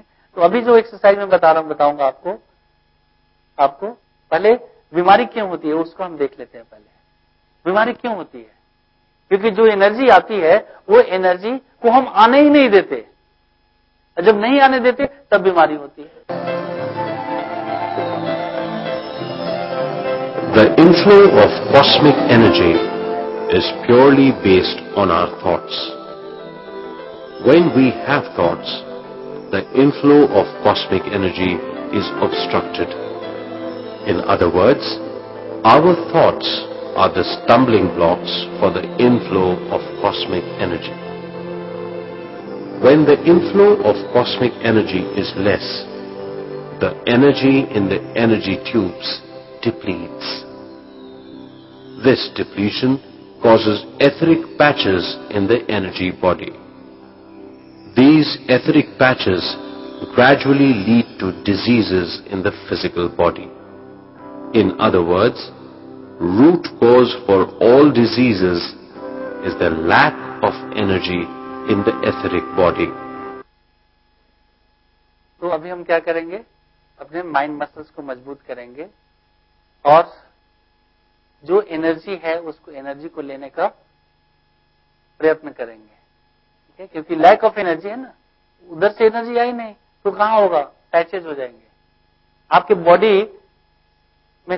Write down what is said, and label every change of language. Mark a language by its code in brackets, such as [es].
[hi] तो अभी जो एक्सरसाइज मैं बता रहा हूं, बताऊंगा आपको, आपको पहले बीमारी क्यों होती है उसको हम देख लेते हैं। पहले बीमारी क्यों होती है, क्योंकि जो एनर्जी आती है वो एनर्जी को हम आने ही नहीं देते, जब नहीं आने देते तब बीमारी होती है। [en] The inflow of cosmic energy is purely based on our thoughts. When we have thoughts, the inflow of cosmic energy is obstructed. In other words, our thoughts are the stumbling blocks for the inflow of cosmic energy. When the inflow of cosmic energy is less, the energy in the energy tubes depletes. This depletion causes etheric patches in the energy body. These etheric patches gradually lead to diseases in the physical body. In other words, root cause for all diseases is the lack of energy in the etheric body. [hi] So, abhi hum kya karenge? Apne mind muscles ko majboot karenge aur जो energy है उसको, energy को लेने का प्रयत्न करेंगे, ठीक है, क्योंकि लैक ऑफ एनर्जी है ना, उधर से एनर्जी आई नहीं तो कहां होगा, पैचेज हो जाएंगे आपके बॉडी में।